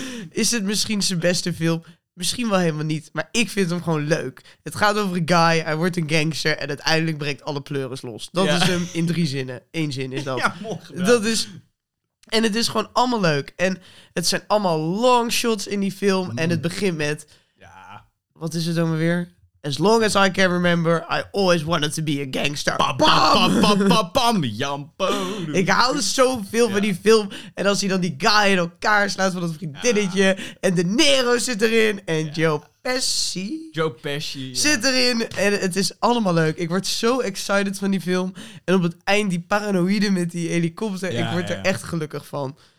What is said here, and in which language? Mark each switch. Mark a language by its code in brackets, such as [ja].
[nl] Is het misschien zijn beste film? Misschien wel helemaal niet. Maar ik vind hem gewoon leuk. Het gaat over een guy. Hij wordt een gangster. En uiteindelijk breekt alle pleuris los. Dat is hem in 3 zinnen. 1 zin is dat. Ja, mooi. Dat is... En het is gewoon allemaal leuk. En het zijn allemaal long shots in die film. En het begint met... Ja. Wat is het dan weer? [en] As long as I can remember, I always wanted to be a gangster. [nl] Ik hou zoveel van die film. En als hij dan die guy in elkaar slaat van dat vriendinnetje. Ja. En De Nero zit erin. En Joe Pesci zit erin. En het is allemaal leuk. Ik word zo excited van die film. En op het eind die paranoïde met die helikopter. Ja, ik word er echt gelukkig van.